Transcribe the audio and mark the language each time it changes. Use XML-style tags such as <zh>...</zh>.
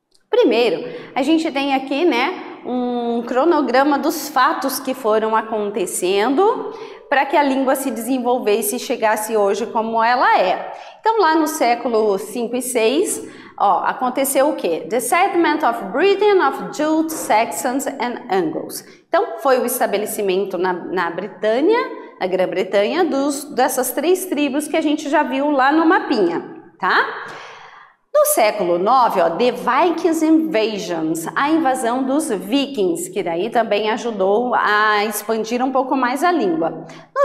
<pt>Primeiro, a gente tem aqui, né, um cronograma dos fatos que foram acontecendo para que a língua se desenvolvesse e chegasse hoje como ela é. Então, lá no século 5 e 6, ó, aconteceu o quê?</pt> <en>The settlement of Britain of Jutes, Saxons and Angles.</en> <pt>Então, foi o estabelecimento na Britânia, na Grã-Bretanha, dessas três tribos que a gente já viu lá no mapinha, tá? No século 9, ó,</pt> <en>The Vikings Invasions,</en> <pt>a invasão dos vikings, que daí também ajudou a expandir um pouco mais a língua. No</pt>